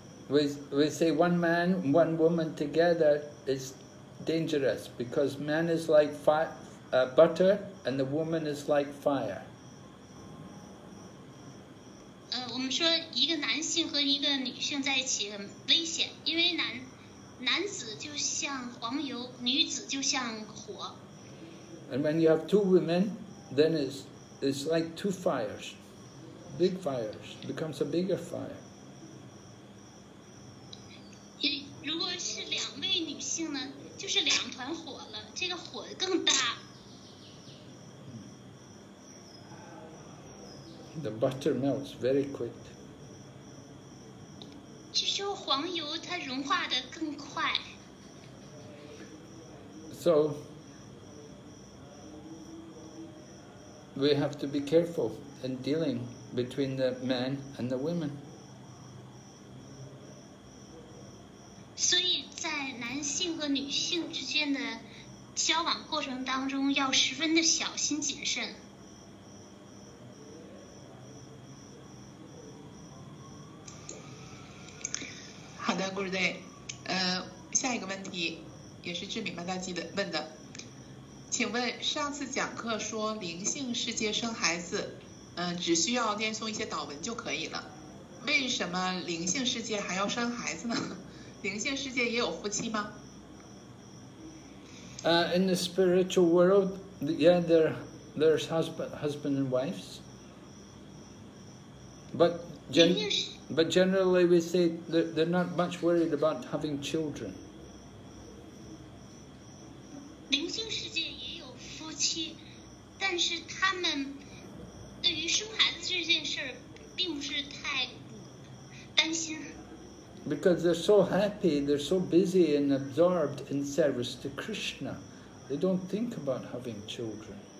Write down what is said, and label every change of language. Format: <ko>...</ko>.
<en>we say one man, one woman together is dangerous because man is like butter and the woman is like fire.</en> <zh>我们说一个男性和一个女性在一起很危险，因为男子就像黄油，女子就像火。</zh> <en>And when you have two women, then it's like two fires, big fires, becomes a bigger fire.</en> <zh>如果是两位女性呢，就是两团火了，这个火更大。</zh> <en>The butter melts very quick.</en> <zh>就是黄油它融化得更快。</zh> <en>So, we have to be careful in dealing between the men and the women.</en> <zh>所以在男性和女性之间的交往过程当中要十分的小心谨慎。好的 ，</zh> <en>Good day。</en> <zh>下一个问题也是智敏曼大姬的问的，请问上次讲课说灵性世界生孩子，只需要念诵一些祷文就可以了，为什么灵性世界还要生孩子呢？灵性世界也有夫妻吗</zh> <en>？In the spiritual world, yeah, there's husband and wives, but. But generally, we say they're not much worried about having children.</en> <zh>灵性世界也有夫妻，但是他们对于生孩子这件事并不是太担心。</zh> <en>Because they're so happy, they're so busy and absorbed in service to Krishna, they don't think about having children.</en>